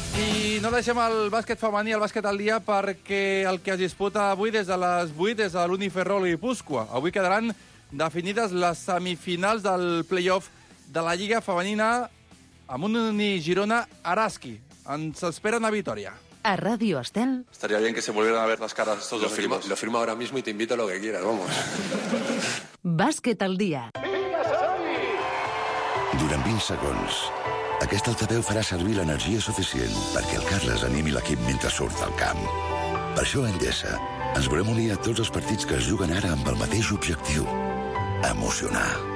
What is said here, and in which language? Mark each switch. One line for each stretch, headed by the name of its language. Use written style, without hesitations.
Catalan: I no deixem el bàsquet femení, el bàsquet al dia, perquè el que es disputa avui des de les 8 és a l'Uniferrol i Púscoa. Avui quedaran definides les semifinals del play-off de la Lliga Femenina amb un Uni Girona Araski. Ens espera una victòria. A Radio Estel.
Spanish: Estaría bien que se volvieran a ver las caras estos dos equipos. Lo firmo ahora mismo y te invito a lo que quieras, vamos.
Catalan: Bàsquet al dia. Durant 20 segons, aquest altaveu farà servir l'energia suficient perquè el Carles animi l'equip mentre surt al camp. Per això, a Endesa, ens volem unir a tots els partits que es juguen ara amb el mateix objectiu: emocionar.